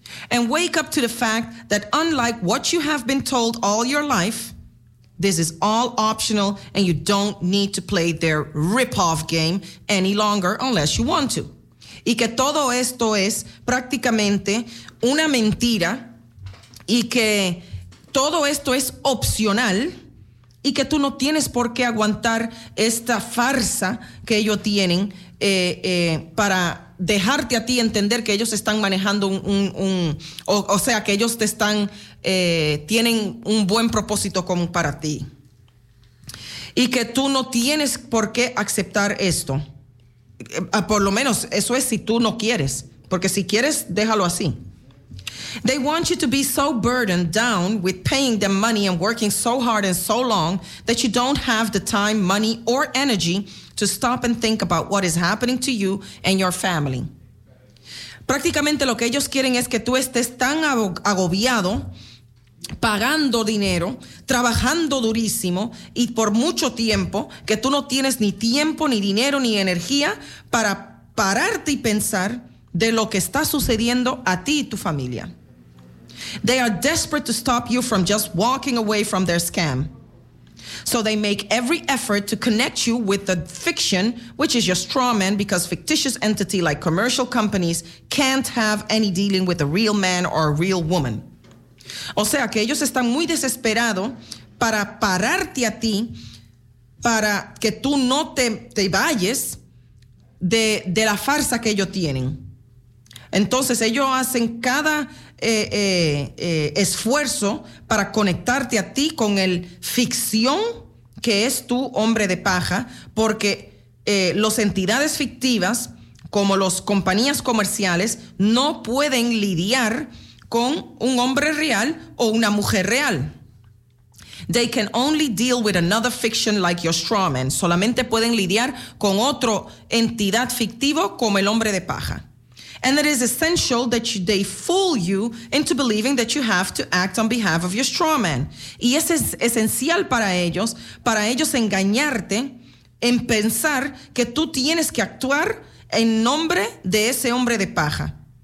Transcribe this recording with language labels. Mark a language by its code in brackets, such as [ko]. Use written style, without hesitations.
[en] And wake up to the fact that unlike what you have been told all your life, this is all optional and you don't need to play their rip-off game any longer unless you want to. [es] Y que todo esto es prácticamente una mentira y que todo esto es opcional y que tú no tienes por qué aguantar esta farsa que ellos tienen para dejarte a ti entender que ellos están manejando que ellos te están tienen un buen propósito común para ti y que tú no tienes por qué aceptar esto. Por lo menos eso es si tú no quieres, porque si quieres déjalo así. [en] They want you to be so burdened down with paying them money and working so hard and so long that you don't have the time, money or energy to stop and think about what is happening to you and your family. [es] Prácticamente lo que ellos quieren es que tú estés tan agobiado pagando dinero, trabajando durísimo y por mucho tiempo que tú no tienes ni tiempo, ni dinero, ni energía para pararte y pensar de lo que está sucediendo a ti y tu familia. [en] They are desperate to stop you from just walking away from their scam. So they make every effort to connect you with the fiction, which is your straw man, because fictitious entity like commercial companies can't have any dealing with a real man or a real woman. [es] O sea, que ellos están muy desesperados para pararte a ti, para que tú no te vayas de la farsa que ellos tienen. Entonces, ellos hacen cada esfuerzo para conectarte a ti con el ficción que es tu hombre de paja, porque las entidades fictivas, como las compañías comerciales, no pueden lidiar con un hombre real o una mujer real. [en] They can only deal with another fiction like your straw man. [es] Solamente pueden lidiar con otro entidad fictivo como el hombre de paja. [en] And it is essential that they fool you into believing that you have to act on behalf of your straw man. [es] Y eso es esencial para ellos engañarte en pensar que tú tienes que actuar en nombre de ese hombre de paja.